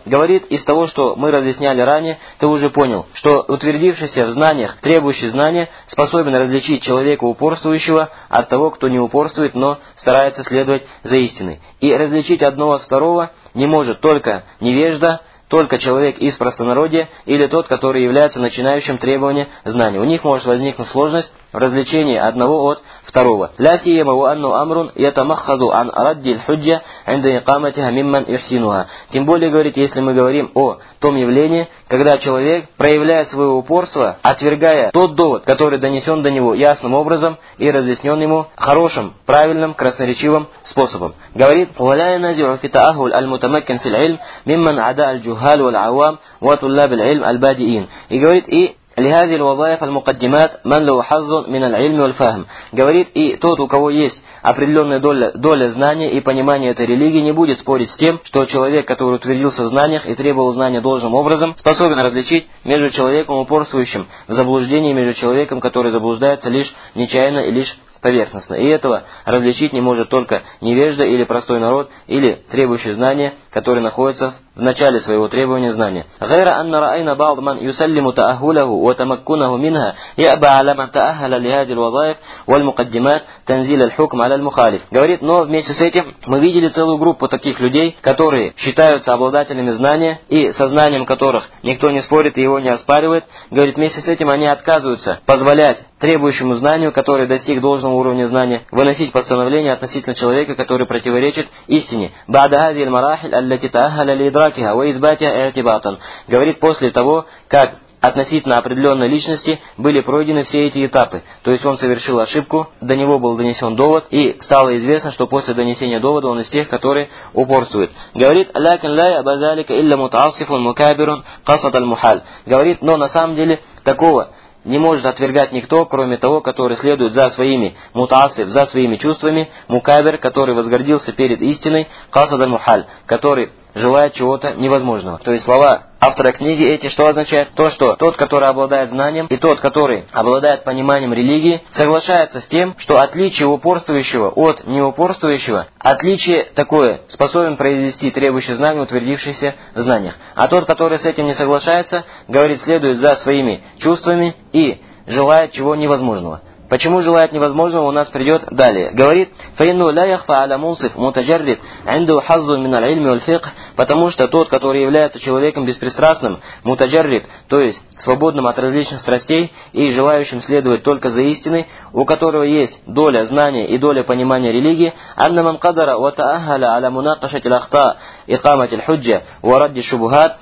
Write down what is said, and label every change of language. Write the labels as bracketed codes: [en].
[ru] Говорит, из того, что мы разъясняли ранее, ты уже понял, что утвердившийся в знаниях, требующий знания, способен различить человека упорствующего от того, кто не упорствует, но старается следовать за истиной. И различить одного от второго не может только невежда, только человек из простонародья или тот, который является начинающим требованием знания. У них может возникнуть сложность в различении одного от второго. [ar] لا سيما وأن أمر يتمخض عن رد الحجة عند إقامتها ممن يحسنها. [ru] Тем более, говорит, если мы говорим о том явлении, когда человек проявляет свое упорство, отвергая тот довод, который донесен до него ясным образом и разъяснен ему хорошим, правильным, красноречивым способом. Говорит, [ar] ولا ينزع في تأهل المتمكن في العلم ممن عدا الجهال والعوام وطلاب العلم البادئين. [ru] И говорит, и [ar] لهذه الوظائف المقدمات من له حظ من العلم والفهم. [ru] Говорит, и тот, у кого есть определенная доля знания и понимания этой религии, не будет спорить с тем, что человек, который утвердился в знаниях и требовал знания должным образом, способен различить между человеком упорствующим в заблуждении и между человеком, который заблуждается лишь нечаянно и лишь поверхностно. И этого различить не может только невежда или простой народ, или требующий знания, который находится в начале своего требования знания. [ar] غير أن رأينا بعض من يسلم تأهله وتمكنه منها يأبى على من تأهل لهذه الوظائف والمقدمات تنزيل الحكم على المخالف. [ru] Говорит, но вместе с этим мы видели целую группу таких людей, которые считаются обладателями знания и со знанием которых никто не спорит и его не оспаривает. Говорит, вместе с этим они отказываются позволять требующему знанию, который достиг должного уровня знания, выносить постановление относительно человека, который противоречит истине. [ar] بعد هذه المراحل التي تأهل لإدراكها وإثباتها اعتباطاً. [ru] Говорит, после того, как относительно определенной личности были пройдены все эти этапы. То есть он совершил ошибку, до него был донесен довод, и стало известно, что после донесения довода он из тех, которые упорствуют. Говорит, [ar] لكن لا يأبى ذلك إلا متعصف مكابر قصد المحال. [ru] Говорит, но на самом деле такого не может отвергать никто, кроме того, который следует за своими мутасы, за своими чувствами, мукабер, который возгордился перед истиной, касад аль-мухаль, который желает чего-то невозможного. То есть слова автора книги эти что означают? То, что тот, который обладает знанием, и тот, который обладает пониманием религии, соглашается с тем, что отличие упорствующего от неупорствующего, отличие такое способен произвести требующий знания, утвердившийся в знаниях. А тот, который с этим не соглашается, говорит, следует за своими чувствами и желает чего невозможного. Почему желает невозможного у нас придет далее. Говорит, [ar] فَإِنُّ لَا يَخْفَ عَلَى مُنصِفْ مُتَجَرِّدْ عِنْدُ حَظُّ مِنَ الْعِلْمِ وَالْفِقْهِ. [ru] Потому что тот, который является человеком беспристрастным, мутаджаррид, то есть свободным от различных страстей и желающим следовать только за истиной, у которого есть доля знания и доля понимания религии, [ar] أَنَّ مَنْ قَدَرَ وَتَأَهَلَ عَلَى مُنَاقَشَةِ الْأَخْطَاءِ إِقَامَةِ الْحُجَّةِ وَرَدِّ الشُّبُهَاتِ.